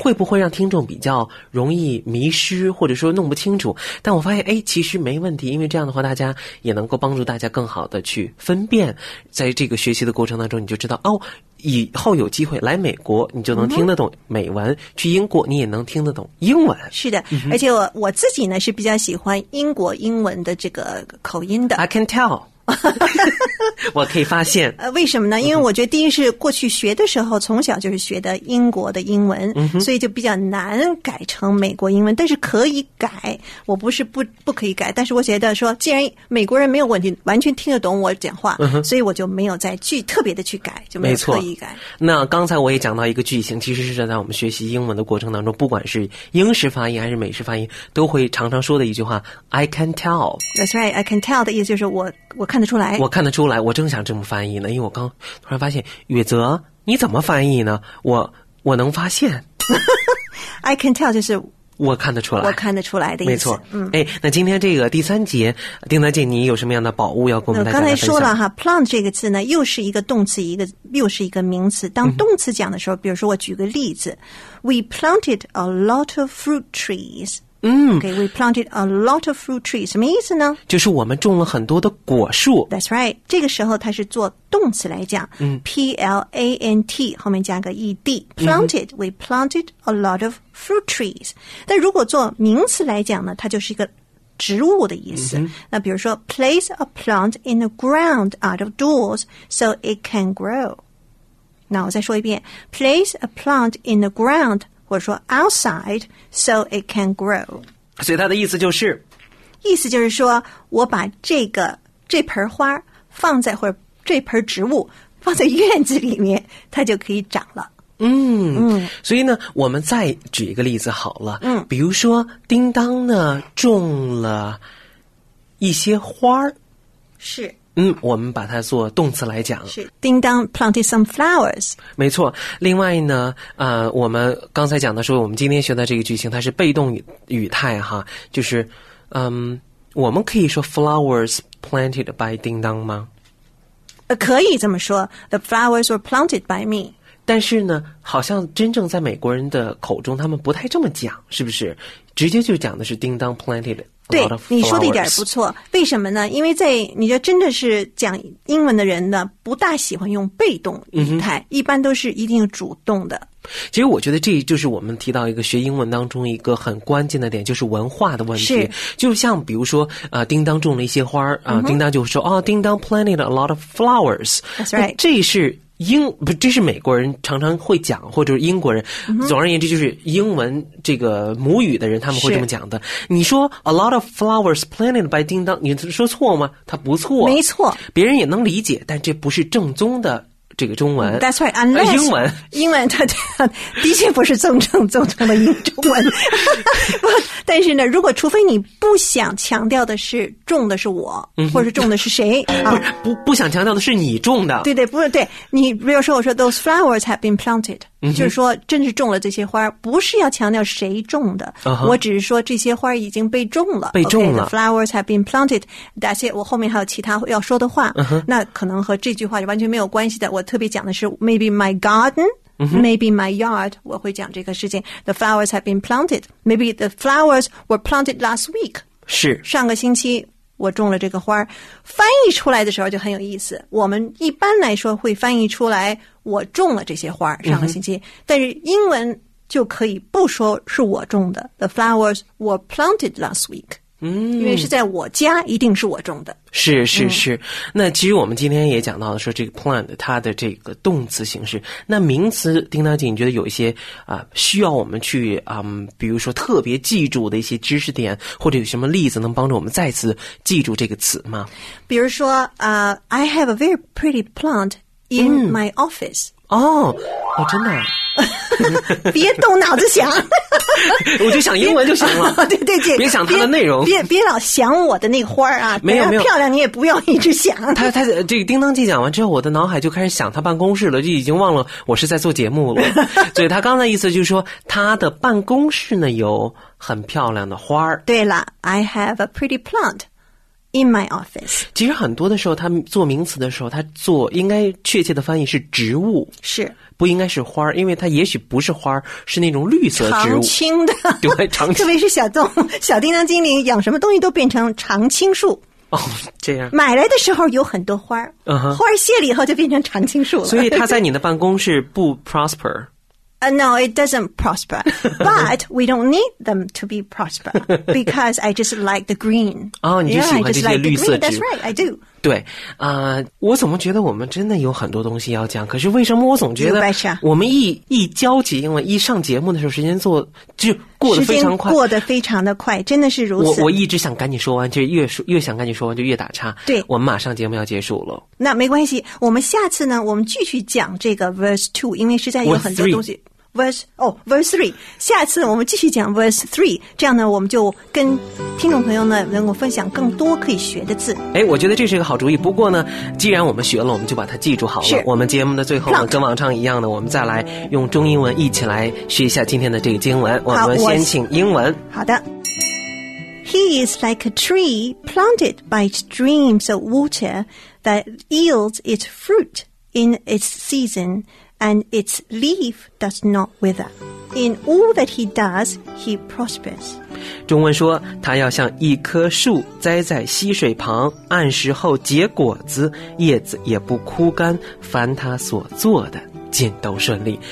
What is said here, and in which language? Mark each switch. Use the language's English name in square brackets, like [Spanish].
[Chinese] 会不会让听众比较容易迷失或者说弄不清楚，但我发现哎，其实没问题，因为这样的话大家也能够帮助大家更好的去分辨，在这个学习的过程当中你就知道哦，以后有机会来美国你就能听得懂美文，去英国你也能听得懂英文。是的，而且我自己呢是比较喜欢英国英文的这个口音的。 [English] I can tell [Chinese] 我可以发现为什么呢？因为我觉得第一是过去学的时候从小就是学的英国的英文，所以就比较难改成美国英文，但是可以改，我不是不可以改，但是我觉得说既然美国人没有问题完全听得懂我讲话，所以我就没有再去特别的去改，就没有特意改。那刚才我也讲到一个句型，其实是在我们学习英文的过程当中，不管是英式发音还是美式发音都会常常说的一句话， [English] I can tell。 That's right, I can tell [Chinese] 的意思就是我看得出来，我看得出来，我正想这么翻译呢，因为我刚突然发现，雨泽，你怎么翻译呢？我能发现， [English] I can tell [Chinese] 就是我看得出来，我看得出来的意思，没错。哎，那今天这个第三节，丁大姐，你有什么样的宝物要跟我们大家分享？刚才说了哈 ，plant 这个字呢，又是一个动词，又是一个名词。当动词讲的时候，比如说我举个例子 ， [English] We planted a lot of fruit trees。 Okay, we planted a lot of fruit trees. [Chinese] 什么意思呢？就是我们种了很多的果树。 [English] That's right. [Chinese] 这个时候它是做动词来讲。P-L-A-N-T, 后面加个 E-D. [English] Planted,we planted a lot of fruit trees. [Chinese] 但如果做名词来讲呢，它就是一个植物的意思。那比如说 [English] place a plant in the ground out of doors so it can grow. [Chinese] 那我再说一遍。 [English] Place a plant in the ground, [Chinese] 或者说 [English] outside so it can grow， [Chinese] 所以他的意思就是说我把这盆花放在或者这盆植物放在院子里面它就可以长了。所以呢我们再举一个例子好了，比如说叮当呢种了一些花，是我们把它做动词来讲。 [English] 是，叮当 planted some flowers。 [Chinese] 没错。另外呢，我们刚才讲的说，我们今天学的这个句型，它是被动语态哈，就是，我们可以说 [English] flowers planted by 叮当 [Chinese] 吗？可以这么说 [English] ，the flowers were planted by me。 [Chinese] 但是呢，好像真正在美国人的口中，他们不太这么讲，是不是？直接就讲的是叮当 planted。对，你说的一点不错。为什么呢？因为在你觉得真的是讲英文的人呢，不大喜欢用被动语态，一般都是一定主动的。其实我觉得这就是我们提到一个学英文当中一个很关键的点，就是文化的问题。是，就像比如说叮当种了一些花叮当就说叮当 planted a lot of flowers。 [English] That's right。 [Chinese] 这是英不，这是美国人常常会讲，或者是英国人。总而言之，就是英文这个母语的人他们会这么讲的。 [English] 你说 a lot of flowers planted by 叮当， [Chinese] 你说错吗？他不错，没错，别人也能理解，但这不是正宗的这个中文。 [English] That's right, unless [Chinese] 英文它的确不是正宗的英中文。但是呢，如果除非你不想强调的是种的是我，或者是种的是谁，不想强调的是你种的。对对，不是对你，比如说我说 [English] those flowers have been planted， [Chinese] 就是说真是种了这些花，不是要强调谁种的，我只是说这些花已经被种了。 [English] Okay, the flowers have been planted. That's it. [Chinese] 我后面还有其他要说的话，那可能和这句话完全没有关系的。我特别讲的是 [English] maybe my garden。 Maybe my yard， 我会讲这个事情。 The flowers have been planted. Maybe the flowers were planted last week. [Chinese] 是上个星期我种了这个花，翻译出来的时候就很有意思。我们一般来说会翻译出来我种了这些花上个星期，但是英文就可以不说是我种的 [English] The flowers were planted last week， [Chinese] 因为是在我家，一定是我种的。是是是。那其实我们今天也讲到了说这个 plant 它的这个动词形式。那名词丁大姐，你觉得有一些需要我们去比如说特别记住的一些知识点，或者有什么例子能帮助我们再次记住这个词吗？ [English] 比如说I have a very pretty plant in my office. [Chinese] 哦真的。别动脑子想我就想英文就行了对对对，别想它的内容，别老想我的那花啊，没有没有，漂亮你也不要一直想他这个叮当记讲完之后，我的脑海就开始想他办公室了，就已经忘了我是在做节目了所以他刚才意思就是说他的办公室呢有很漂亮的花。 [English] 对了， I have a pretty plantIn my office. [Chinese] 其实很多的时候他做名词的时候，他做应该确切的翻译是植物，是不应该是花，因为它也许不是花，是那种绿色植物，常青的，对，常青，特别是小动物小叮当精灵养什么东西都变成常青树。哦，这样买来的时候有很多花，花谢了以后就变成常青树了，所以它在你的办公室不 prosper。 [English] No, it doesn't prosper. But we don't need them to be prosper because I just like the green. [Chinese] 哦，你就喜欢这些绿色植物。 [English] That's right, I do. [Chinese] 对，我怎么觉得我们真的有很多东西要讲？可是为什么我总觉得我们一交集，因为一上节目的时候，时间做就过得非常快，过得非常的快，真的是如此。我一直想赶紧说完，就越想赶紧说完就越打岔。对，我们马上节目要结束了。那没关系，我们下次呢，我们继续讲这个 verse 2，因为实在有很多东西。 Verse 3，下次我们继续讲 verse 3，这样呢，我们就跟听众朋友呢能够分享更多可以学的字。哎，我觉得这是一个好主意。不过呢，既然我们学了，我们就把它记住好了。我们节目的最后呢，跟往常一样呢，我们再来用中英文一起来学一下今天的这个经文。我们先请英文。好的。 [English] He is like a tree planted by streams of water that yields its fruit in its season. And its leaf does not wither. In all that he does, he prospers. [Chinese] 中文说，他要像一棵树栽在溪水旁，按时后结果子，叶子也不枯干，凡他所做的尽都顺利。